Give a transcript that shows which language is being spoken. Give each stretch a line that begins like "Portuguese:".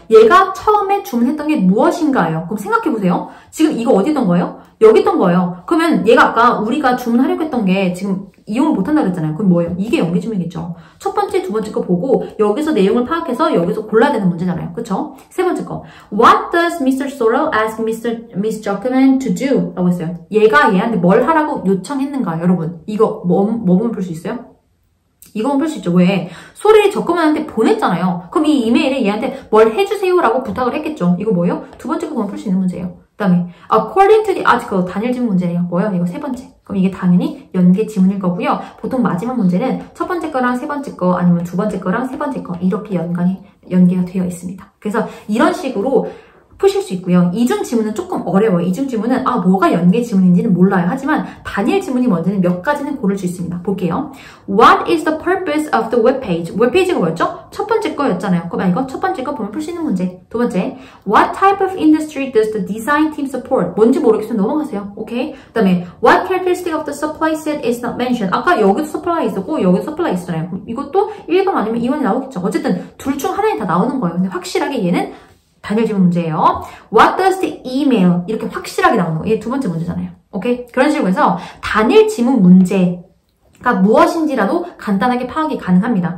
Korean: 얘가 처음에 주문했던 게 무엇인가요? 그럼 생각해 보세요. 지금 이거 어디 있던 거예요? 여기 있던 거예요. 그러면 얘가 아까 우리가 주문하려고 했던 게 지금 이용을 못한다 그랬잖아요. 그럼 뭐예요? 이게 연계 지문이겠죠. 첫 번째, 두 번째 거 보고 여기서 내용을 파악해서 여기서 골라야 되는 문제잖아요. 그렇죠? 세 번째 거.
English: What does Mr. Sorrell ask Miss Jockman to do?
Korean: 라고 했어요. 얘가 얘한테 뭘 하라고 요청했는가, 여러분. 이거 뭐 볼 수 있어요? 이건 볼 수 있죠. 왜? 소리를 적금원한테 보냈잖아요. 그럼 이 이메일에 얘한테 뭘 해주세요라고 부탁을 했겠죠. 이거 뭐예요? 두 번째 거 그건 풀 수 있는 문제예요. 그 다음에
English: according to the article
Korean: 단일 지문 문제예요. 뭐예요? 이거 세 번째. 그럼 이게 당연히 연계 지문일 거고요. 보통 마지막 문제는 첫 번째 거랑 세 번째 거 아니면 두 번째 거랑 세 번째 거 이렇게 연계가 되어 있습니다. 그래서 이런 식으로 푸실 수 있고요. 이중 지문은 조금 어려워요. 이중 지문은 뭐가 연계 지문인지는 몰라요. 하지만 단일 지문이 뭔지는 몇 가지는 고를 수 있습니다. 볼게요.
English: What is the purpose of the webpage?
Korean: 웹페이지가 뭐였죠? 첫 번째 거였잖아요. 그럼 이거 첫 번째 거 보면 풀 수 있는 문제. 두 번째,
English: What type of industry does the design team support?
Korean: 뭔지 모르겠으면 넘어가세요. 오케이? 그 다음에
English: What characteristic of the supply set is not mentioned?
Korean: 아까 여기도 supply 있었고 여기도 supply 있었잖아요. 이것도 1번 아니면 2번이 나오겠죠. 어쨌든 둘 중 하나에 다 나오는 거예요. 근데 확실하게 얘는 단일 질문 문제예요.
English: What does the email?
Korean: 이렇게 확실하게 나오는 거. 이게 두 번째 문제잖아요. 오케이? 그런 식으로 해서 단일 질문 문제가 무엇인지라도 간단하게 파악이 가능합니다.